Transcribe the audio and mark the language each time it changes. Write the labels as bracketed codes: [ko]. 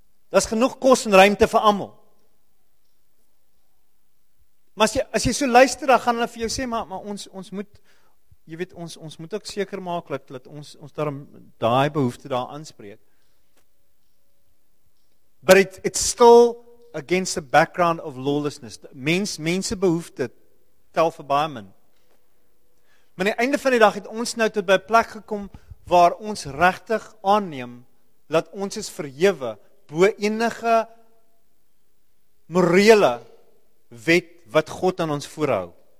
[af] Dat is genoeg kos en ruimte vir almal. Maar as jy so luister, dan gaan hulle vir jou sê, maar ons moet, jy weet, ons moet ook seker maak dat ons daarom daai behoefte daar aanspreek. [en] But it's still against the background of lawlessness. [af] Mense behoefte tel vir baie min. Maar die einde van die dag het ons nou tot by 'n plek gekom waar ons regtig aanneem dat ons is verhewe bo enige morele wet wat God aan ons voorhou.